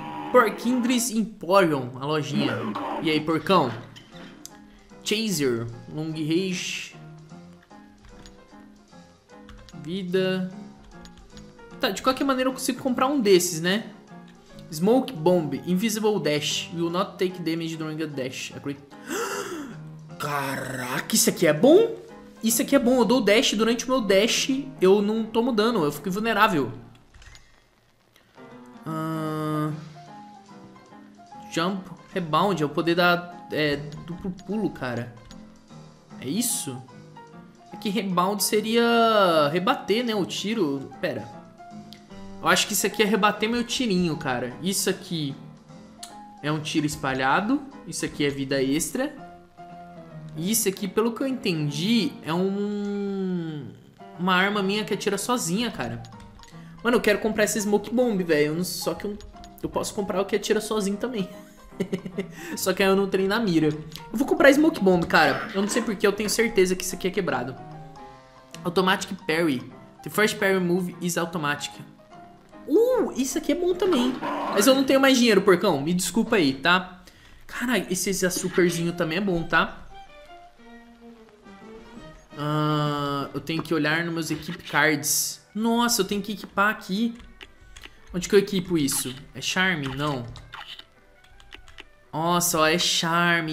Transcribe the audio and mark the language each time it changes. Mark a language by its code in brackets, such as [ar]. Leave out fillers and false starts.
[pt] Porkindris Emporium, a lojinha. E aí, porcão? [en] Chaser, long range. [pt] Vida. Tá, de qualquer maneira eu consigo comprar um desses, né? [en] Smoke Bomb, Invisible Dash. You will not take damage during a dash. [pt] Caraca, isso aqui é bom? Isso aqui é bom, eu dou dash. Durante o meu dash eu não tomo dano, eu fico invulnerável. Jump Rebound, é o poder da duplo pulo, cara. É isso? É que rebound seria rebater, né? O tiro. Pera. Eu acho que isso aqui é rebater meu tirinho, cara. Isso aqui é um tiro espalhado. Isso aqui é vida extra. Isso aqui, pelo que eu entendi, é uma arma minha que atira sozinha, cara. Mano, eu quero comprar essa smoke bomb, velho. Só que eu posso comprar o que atira sozinho também. Só que aí eu não treino na mira. Eu vou comprar smoke bomb, cara. Eu não sei porque, eu tenho certeza que isso aqui é quebrado. [en] Automatic parry. The first parry move is automatic. [pt] Isso aqui é bom também. Mas eu não tenho mais dinheiro, porcão. Me desculpa aí, tá? Cara, esse açúcarzinho também é bom, tá? Eu tenho que olhar nos meus equip cards. Nossa, eu tenho que equipar aqui. Onde que eu equipo isso? É charme? Não. Nossa, ó, é charme.